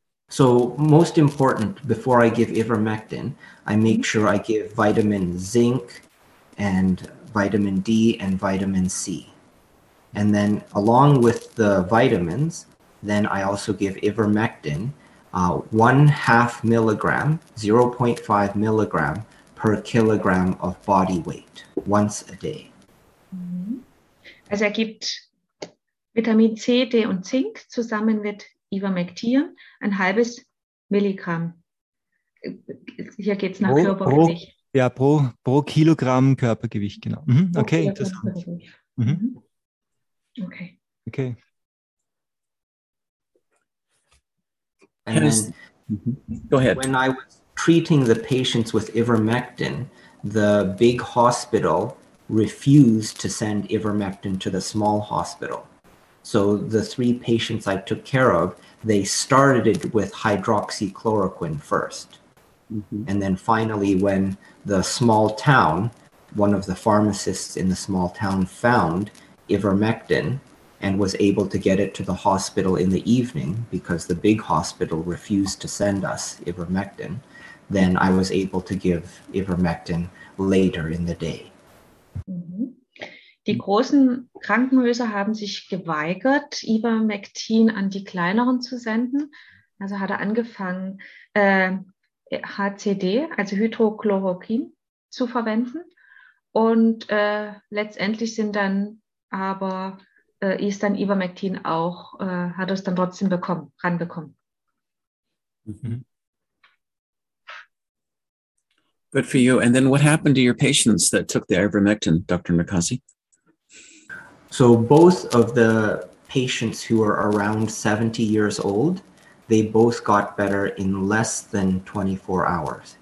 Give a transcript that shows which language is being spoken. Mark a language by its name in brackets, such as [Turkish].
[English] So most important, before I give ivermectin, I make sure I give vitamin zinc and vitamin D and vitamin C. And then along with the vitamins, then I also give ivermectin 0.5 milligram, 0.5 milligram per kilogram of body weight once a day. [German] Also er gibt Vitamin C, D und Zink zusammen mit Ivermectin, 0.5 Milligramm. Hier geht es nach Körpergewicht. Pro Kilogramm Körpergewicht, genau. Mhm. Okay, interessant. Mhm. Okay. [English] And then, go ahead. When I was treating the patients with ivermectin, the big hospital refused to send ivermectin to the small hospital. So the three patients I took care of, they started with hydroxychloroquine first. Mm-hmm. And then finally, when the small town, one of the pharmacists in the small town found ivermectin and was able to get it to the hospital in the evening because the big hospital refused to send us ivermectin, then I was able to give ivermectin later in the day. [German] Die großen Krankenhäuser haben sich geweigert, Ivermectin an die kleineren zu senden. Also hat er angefangen, HCD, also Hydrochloroquin, zu verwenden. Und letztendlich ist dann Ivermectin auch, hat es dann trotzdem bekommen, ranbekommen. [English] Good for you. And then what happened to your patients that took the ivermectin, Dr. Nakasi? So both of the patients who were around 70 years old, they both got better in less than 24 hours.